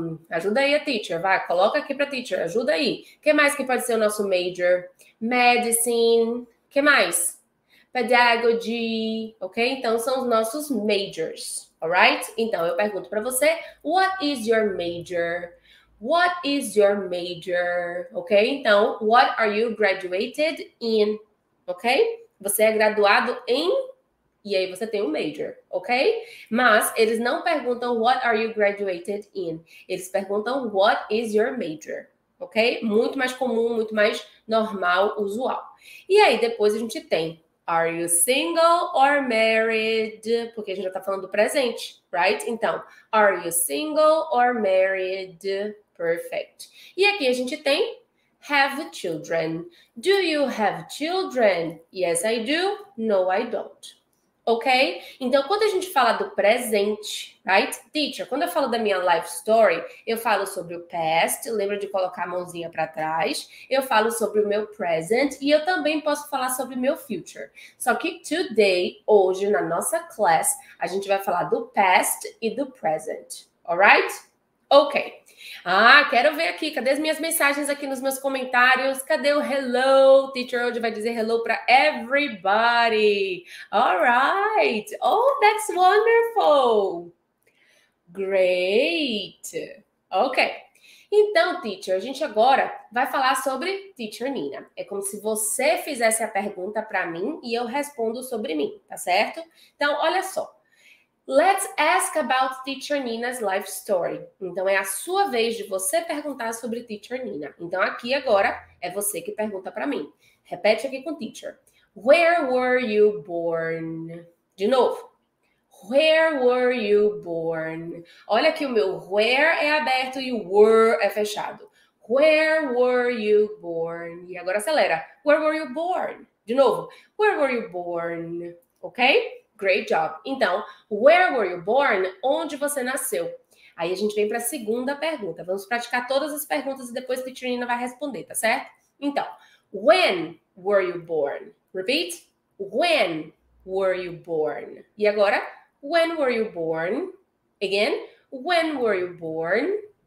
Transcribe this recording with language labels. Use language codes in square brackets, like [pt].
[pt] Ajuda aí a teacher, vai, coloca aqui para teacher, ajuda aí. O que mais que pode ser o nosso major? Medicine, o que mais? Pedagogy, ok? Então são os nossos majors, alright? Então eu pergunto para você: [en] What is your major? What is your major? Ok? Então, what are you graduated in? [pt] Ok? Você é graduado em? E aí você tem um major, ok? Mas eles não perguntam: [en] What are you graduated in? [pt] Eles perguntam: [en] What is your major? [pt] Ok? Muito mais comum, muito mais normal, usual. E aí depois a gente tem. [en] Are you single or married? [pt] Porque a gente já tá falando do presente, right? [en] Então, are you single or married? Perfect. [pt] E aqui a gente tem [en] have children. Do you have children? Yes, I do. No, I don't. Ok? [pt] Então, quando a gente fala do presente, right? Teacher, quando eu falo da minha life story, eu falo sobre o past, lembra de colocar a mãozinha para trás, eu falo sobre o meu present e eu também posso falar sobre o meu future. Só que today, hoje, na nossa class, a gente vai falar do past e do present, alright? Ok. Ah, quero ver aqui, cadê as minhas mensagens aqui nos meus comentários? Cadê o hello? Teacher hoje vai dizer hello para everybody. [en] All right. Oh, that's wonderful. Great. Ok. [pt] Então, teacher, a gente agora vai falar sobre teacher Nina. É como se você fizesse a pergunta para mim e eu respondo sobre mim, tá certo? Então, olha só. [en] Let's ask about teacher Nina's life story. [pt] Então, é a sua vez de você perguntar sobre teacher Nina. Então, aqui agora, é você que pergunta para mim. Repete aqui com teacher. [en] Where were you born? [pt] De novo. [en] Where were you born? [pt] Olha que o meu where é aberto e o were é fechado. [en] Where were you born? [pt] E agora acelera. [en] Where were you born? [pt] De novo. [en] Where were you born? Ok? Great job. Então, where were you born? [pt] Onde você nasceu? Aí a gente vem para a segunda pergunta. Vamos praticar todas as perguntas e depois a teacher Nina vai responder, tá certo? [en] Então, when were you born? Repeat. When were you born? [pt] E agora, [en] when were you born? Again, when were you born?